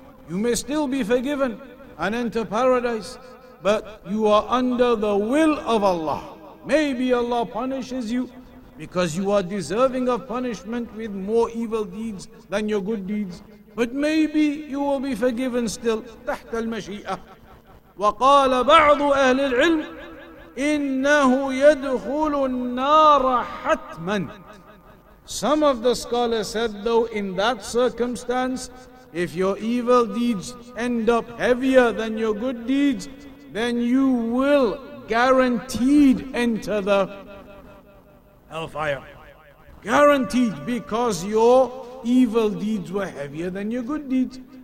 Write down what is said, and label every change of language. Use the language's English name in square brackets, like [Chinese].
[English] You may still be forgiven and enter paradise, but you are under the will of Allah. Maybe Allah punishes you, because you are deserving of punishment with more evil deeds than your good deeds. But maybe you will be forgiven still. [Arabic] تحت المشيئة. وقال بعض أهل العلم إنه يدخل النار حتما. [English] Some of the scholars said, though, in that circumstance, if your evil deeds end up heavier than your good deeds, then you will guaranteed enter the hellfire. Guaranteed, because your evil deeds were heavier than your good deeds.